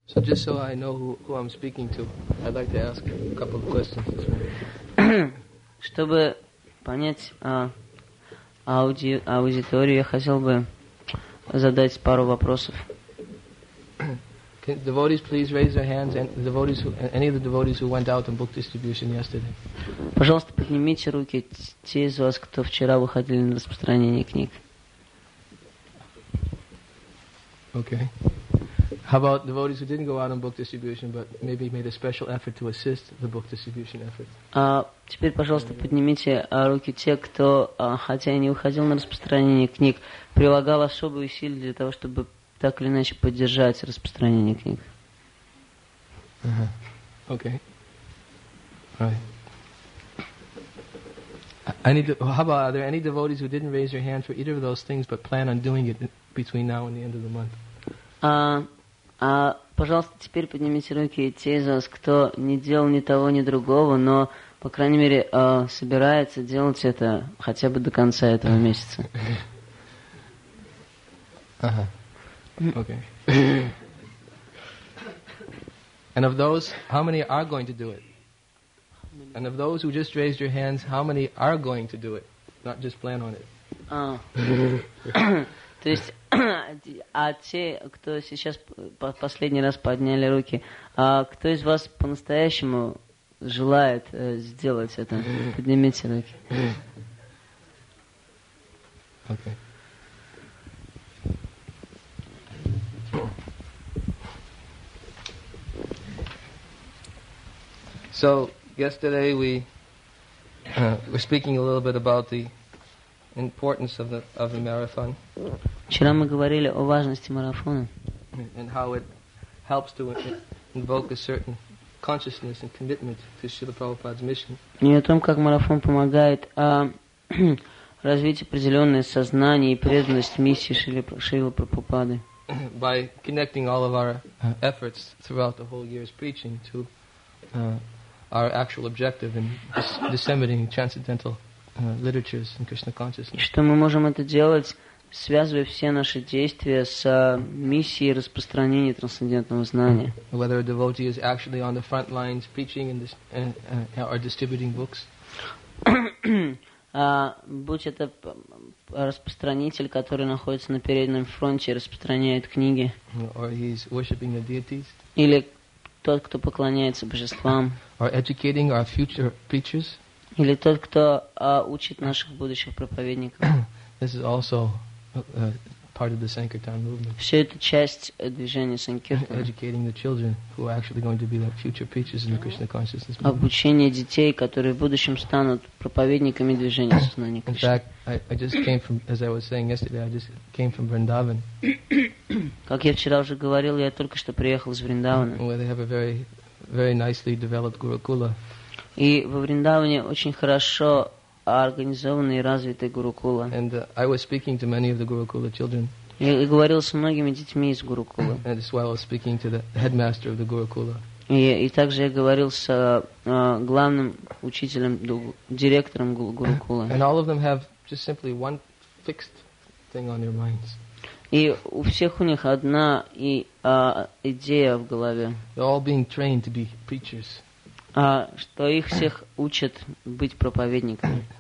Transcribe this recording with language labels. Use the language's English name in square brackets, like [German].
[English] So just so I know who I'm speaking to, I'd like to ask a couple of questions. [Russian] Чтобы понять аудиторию, я хотел бы задать пару вопросов. [English] Can devotees please raise their hands, and devotees who, any of the devotees who went out on book distribution yesterday? [Russian] Пожалуйста, поднимите руки те из вас, кто вчера выходили на распространение книг. [English] Okay. How about devotees who didn't go out on book distribution, but maybe made a special effort to assist the book distribution effort? [Russian] Теперь, пожалуйста, поднимите руки те, кто, хотя и не выходил на распространение книг, прилагал особые усилия для того, чтобы так или иначе поддержать распространение книг. [English] Okay. Right. How about, are there any devotees who didn't raise their hand for either of those things, but plan on doing it between now and the end of the month? [Russian] Пожалуйста, теперь поднимите руки те из вас, кто не делал ни того, ни другого, но, по крайней мере, собирается делать это хотя бы до конца этого месяца. Ага. Okay. [English] And of those, how many are going to do it? And of those who just raised your hands, how many are going to do it, not just plan on it? [Russian] То есть... А те, кто сейчас последний раз подняли руки, а кто из вас по-настоящему желает сделать это? Поднимите руки. [English] Okay. So, yesterday we're speaking a little bit about the importance of the marathon. [Russian] Вчера мы говорили о важности марафона. [English] And how it helps to invoke a certain consciousness and commitment to Srila Prabhupada's mission. [Russian] И о том, как марафон помогает развить определенное сознание и преданность миссии Шрилы Прабхупады. [English] By connecting all of our efforts throughout the whole year's preaching to our actual objective in disseminating transcendental literatures and Krishna consciousness. [Russian] Что мы можем это делать, связывая все наши действия с миссией распространения трансцендентного знания. [English] Whether a devotee is actually on the front lines preaching and or distributing books. [Russian] Будь это распространитель, который находится на переднем фронте и распространяет книги. [English] Or he's worshiping the deities. [Russian] Или тот, кто поклоняется божествам. [English] Or educating our future preachers. [Russian] Или тот, кто учит наших будущих проповедников. [English] This is also part of the Sankirtan movement. [Russian] Все это часть движения Санкиртана. [English] Educating the children who are actually going to be the future preachers in the Krishna consciousness movement. [Russian] Обучение детей, которые в будущем станут проповедниками движения сознания Кришны. [English] In fact, I just came from, as I was saying yesterday, I just came from Vrindavan. [Russian] Как я вчера уже говорил, я только что приехал из Вриндавана. [English] Where they have a very, very nicely developed Gurukula. [Russian] И во Вриндаване очень хорошо организованы и развиты гурукулы. [English] And I was speaking to many of the Gurukula children. [Russian] И говорил с многими детьми из Гурукулы. [English] And as well as speaking to the headmaster of the Gurukula. [Russian] И также я говорил с главным учителем, директором Гурукулы. [English] And all of them have just simply one fixed thing on their minds. [Russian] И у всех у них одна и идея в голове. [English] They're all being trained to be preachers. [Russian] Что их всех учат быть проповедниками.